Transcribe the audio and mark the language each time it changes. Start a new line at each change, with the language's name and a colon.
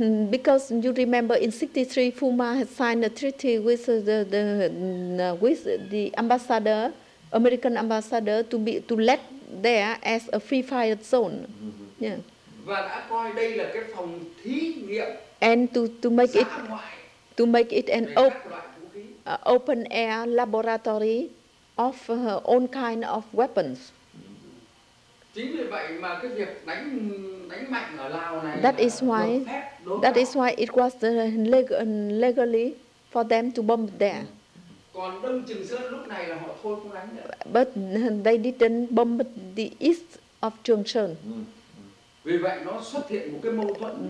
English: Because you remember in 63, Fuma had signed a treaty with the ambassador, American ambassador, to let there as a free fire zone. Mm-hmm. Yeah.
Vietnamese: Và đã coi đây là cái phòng thí nghiệm.
English: And to make it an open air laboratory of all kind of weapons.
Vietnamese: Chính vì vậy mà cái việc đánh mạnh ở Lào này
English: That is why it was legally for them to bomb there.
Vietnamese: Còn Đông Trường Sơn lúc này là họ thôi không đánh nữa.
English: But they didn't bomb the east of Trường Sơn.
Vietnamese: Vì vậy nó xuất hiện một cái mâu thuẫn.